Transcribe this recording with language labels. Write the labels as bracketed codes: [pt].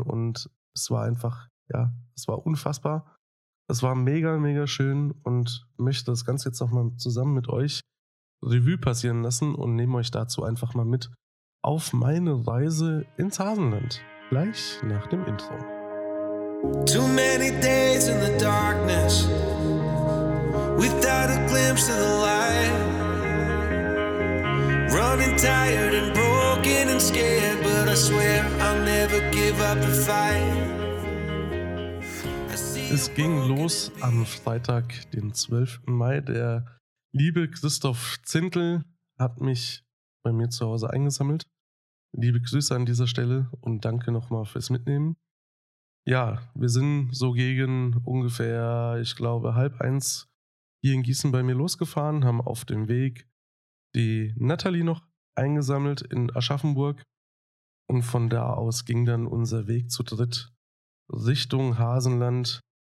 [de] Und es war einfach, ja, es war unfassbar. Es war mega, mega schön und möchte das Ganze jetzt nochmal zusammen mit euch Revue passieren lassen und nehme euch dazu einfach mal mit auf meine Reise ins Hasenland. Gleich nach dem Intro. [en] Too many days in the darkness, without a glimpse of the light. Running tired and broken and scared, but I swear I'll never give up the fight. [de] Es ging los am Freitag, den 12. Mai. Der liebe Christoph Zintel hat mich bei mir zu Hause eingesammelt. Liebe Grüße an dieser Stelle und danke nochmal fürs Mitnehmen. Ja, wir sind so gegen ungefähr, ich glaube, 12:30 hier in Gießen bei mir losgefahren, haben auf dem Weg die Nathalie noch eingesammelt in Aschaffenburg und von da aus ging dann unser Weg zu dritt Richtung Hasenland.